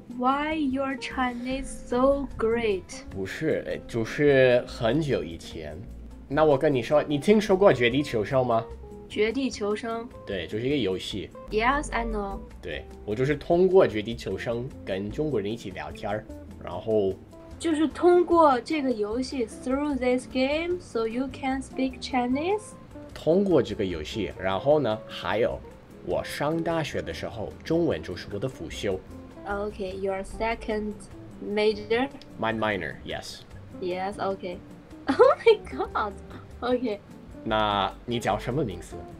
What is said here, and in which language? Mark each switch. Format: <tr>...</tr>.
<en>Why your Chinese so great？</en> <zh>不是，就是很久以前。那我跟你说，你听说过《绝地求生》吗？绝地求生。对，就是一个游戏。</zh> <en>Yes, I know。</en> <zh>对，我就是通过《绝地求生》跟中国人一起聊天，然后。就是通过这个游戏</zh> <en>through this game so you can speak Chinese?</en> <zh>通过这个游戏，然后呢，还有我上大学的时候，中文就是我的辅修。</zh> <en>Okay, your second major? My minor, yes. Yes, okay. Oh my god, okay.</en> <zh>那你叫什么名字？</zh>